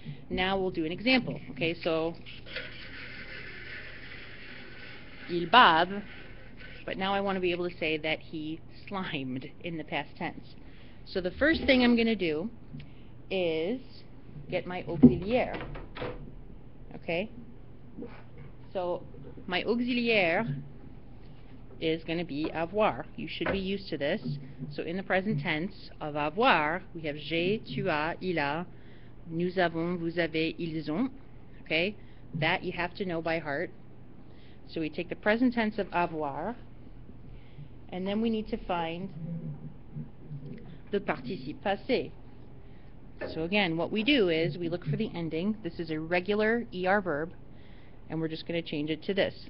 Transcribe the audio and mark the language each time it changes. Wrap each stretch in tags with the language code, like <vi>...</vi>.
<en>Now we'll do an example. Okay, so</en> <fr>il bave,</fr> <en>but now I want to be able to say that he slimed in the past tense. So the first thing I'm going to do is get my auxiliaire. Okay? So my auxiliaire is going to be avoir. You should be used to this. So in the present tense of avoir, we have</en> <fr>j'ai, tu as, il a, nous avons, vous avez, ils ont.</fr> <en>Okay? That you have to know by heart. So we take the present tense of avoir, and then we need to find the participe passé. So again, what we do is we look for the ending. This is a regular ER verb, and we're just going to change it to this.</en>